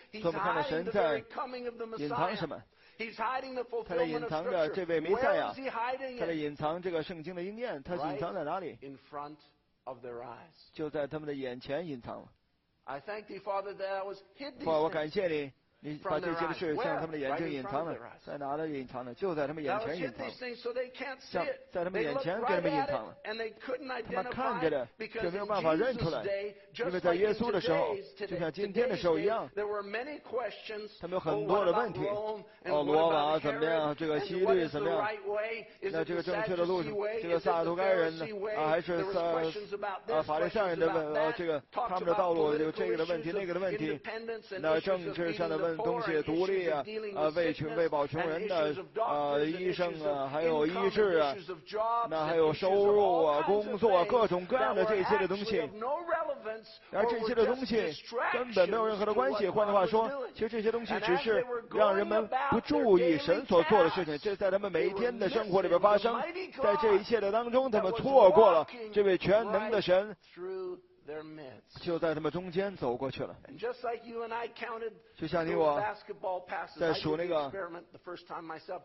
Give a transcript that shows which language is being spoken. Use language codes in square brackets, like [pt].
[en] He's hiding the very coming of the Messiah. He's hiding the fulfillment of Scripture. Where is he hiding it? [zh] 他隐藏这个圣经的应验，他隐藏在哪里？ [en] Right in front of their eyes. [zh] 就在他们的眼前隐藏了。 [en] I thank thee, Father, that I was hid. [zh] 父，我感谢你。你把这些的事向他们的眼睛隐藏了，在哪里隐藏了？就在他们眼前隐藏了，在他们眼前给他们隐藏了。他们看见的却没有办法认出来，因为在耶稣的时候，就像今天的时候一样，他们有很多的问题。哦，罗马怎么样？这个希律怎么样？那这个正确的路，这个撒都该人呢？还是法利赛人的问？这个他们的道路有这个的问题，那个的问题？那政治上的？问东西独立啊，为保穷人的医生啊，还有医治啊，那还有收入啊，工作啊，各种各样的这些的东西。而这些的东西根本没有任何的关系。换句话说，其实这些东西只是让人们不注意神所做的事情，这在他们每一天的生活里边发生。在这一切的当中，他们错过了这位全能的神 [en] their midst. [zh] 就在他们中间走过去了。 [en] And just like you and I counted the basketball passes, I did the experiment the first time myself.